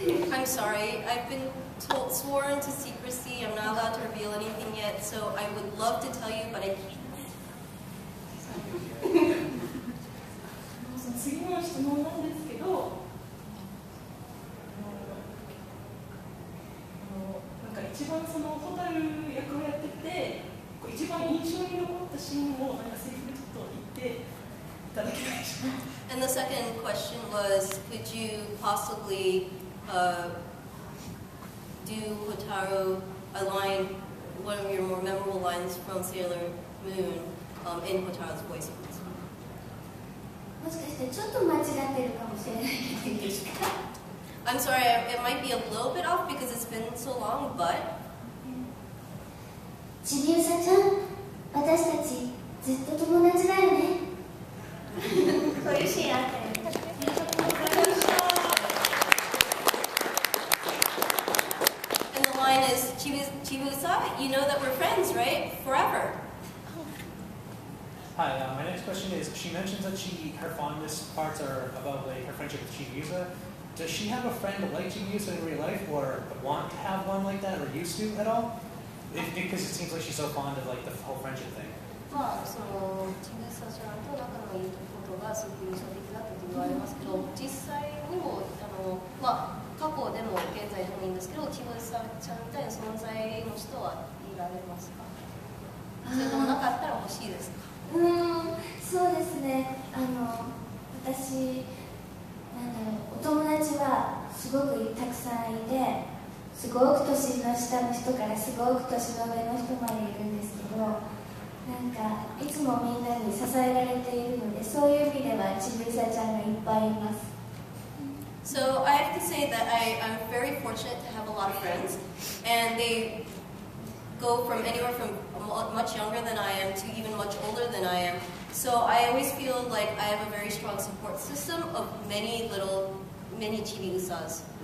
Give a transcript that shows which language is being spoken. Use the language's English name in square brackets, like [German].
[English] I'm sorry. I've been sworn to secrecy. I'm not allowed to reveal anything yet. So I would love to tell you, but I can't. [Japanese] 次の質問なんですけど、なんか一番その蛍役をやってて、一番印象に残ったシーンをなんかセリフでちょっと言っていただけないでしょうか。 [English] And the second question was, could you possibly do Wataru a line, one of your more memorable lines from Sailor Moon, in Wataru's voice? I'm sorry, it might be a little bit off because it's been so long, but... [Japanese] Chibiusa-chan, 私たちずっと友達だよね。こういうシーンあったよね。 [English] And the line is, Chibiusa, you know that we're friends, right? Forever. Hi, my next question is, she mentions that her fondest parts are about like, her friendship with Chibiusa. Does she have a friend like Chibiusa in real life, or want to have one like that, or used to at all? Because it seems like she's so fond of like, the whole friendship thing. [Japanese] Well, Chibiusa-chan の仲のいいところがすごく印象的だったと言われますけど、実際にも、過去でも現在でもいいんですけど、Chibiusa-chan みたいな存在の人はいられますか? そうですね、私お友達はすごくたくさんいて、すごく年の下の人からすごく年の上の人までいるんですけど、なんかいつもみんなに支えられているので、そういう意味ではちびうさちゃんがいっぱいいます。 [English] So I have to say that I'm very fortunate to have a lot of friends, and they go from anywhere from much younger than I am to even much older than I am. So I always feel like I have a very strong support system of many little, many chibi usas.